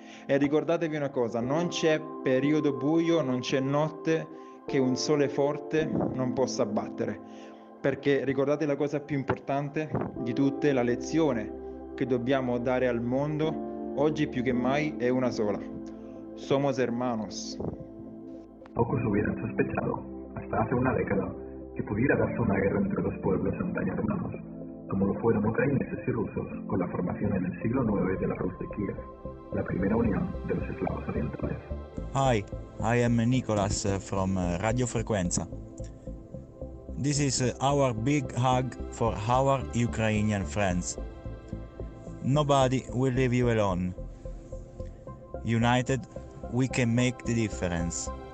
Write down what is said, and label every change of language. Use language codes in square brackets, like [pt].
[it] E ricordatevi una cosa, non c'è periodo buio, non c'è notte che un sole forte non possa battere. Perché ricordate la cosa più importante di tutte, la lezione che dobbiamo dare al mondo, oggi più che mai è una sola. [es] Somos hermanos. Pocos hubieran sospechado, hasta hace una década, que pudiera darse una guerra entre dos pueblos en tan hermanos, como lo fueron ucranianos y rusos con la formación en el siglo IX de la Rus de Kiev, la primera unión de los eslavos orientales. [en] Hi, I am Nicolas from Radio Frequenza. This is our big hug for our Ukrainian friends. Nobody will leave you alone. United, we can make the difference.